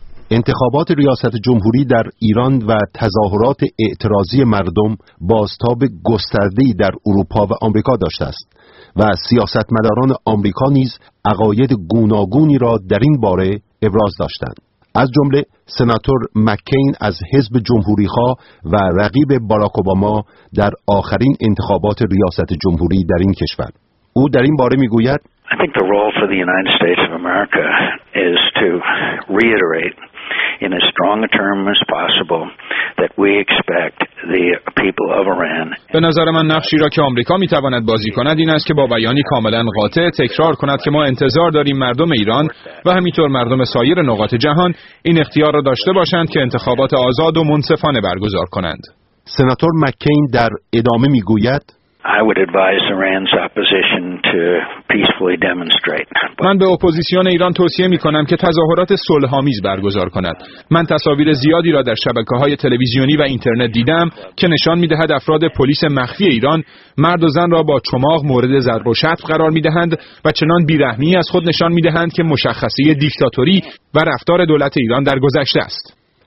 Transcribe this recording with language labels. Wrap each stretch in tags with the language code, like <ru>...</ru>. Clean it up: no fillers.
<fa>انتخابات ریاست جمهوری در ایران و تظاهرات اعتراضی مردم بازتاب گسترده‌ای در اروپا و آمریکا داشته است و سیاستمداران آمریکا نیز عقاید گوناگونی را در این باره ابراز داشتند. از جمله سناتور مککین از حزب جمهوری‌خواه و رقیب باراک اوباما در آخرین انتخابات ریاست جمهوری در این کشور. او در این باره می‌گوید:</fa> <en>I think the role for the United States of America is to reiterate in as strong a term as possible that we expect the people of Iran.</en> <fa>به نظر من نقشی را که آمریکا میتواند بازی کند این است که با بیانی کاملا قاطع تکرار کند که ما انتظار داریم مردم ایران و همینطور مردم سایر نقاط جهان این اختیار را داشته باشند که انتخابات آزاد و منصفانه برگزار کنند. سناتور مککین در ادامه میگوید:</fa> <en>I would advise Iran's opposition to peacefully demonstrate.</en> <fa>من به اپوزیسیون ایران توصیه می کنم که تظاهرات صلح‌آمیز برگزار کند. من تصاویر زیادی را در شبکه‌های تلویزیونی و اینترنت دیدم که نشان می‌دهد افراد پلیس مخفی ایران مرد و زن را با چماق مورد ضرب و شتم قرار می‌دهند و چنان بی‌رحمی از خود نشان می‌دهند که مشخصه دیکتاتوری و رفتار دولت ایران در گذشته است.</fa>